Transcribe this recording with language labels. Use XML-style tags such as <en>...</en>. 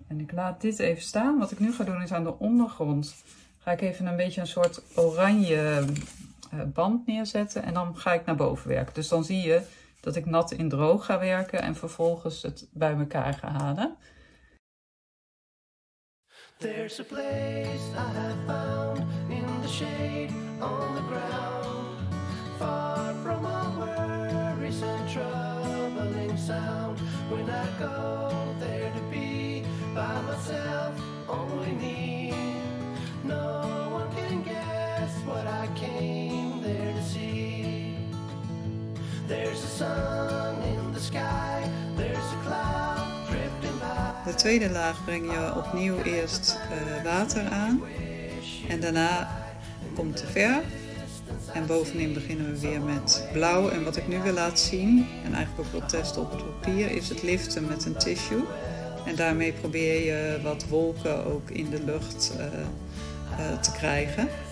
<nl>Laat dit even staan. Wat ik nu ga doen is aan de ondergrond ga ik even een beetje een soort oranje band neerzetten. En dan ga ik naar boven werken. Dus dan zie je dat ik nat in droog ga werken en vervolgens het bij elkaar ga halen.</nl> <en>There's a place I have found in the shade on the ground. Far from all worries and troubling sound. When I go there to be by myself, only me. No one can guess what I came there to see. There's a sun in the sky, there's a cloud drifting by.</en> <nl>De tweede laag breng je opnieuw eerst water aan en daarna komt de verf. En bovenin beginnen we weer met blauw. En wat ik nu wil laten zien, en eigenlijk ook wil testen op het papier, is het liften met een tissue. En daarmee probeer je wat wolken ook in de lucht te krijgen.</nl>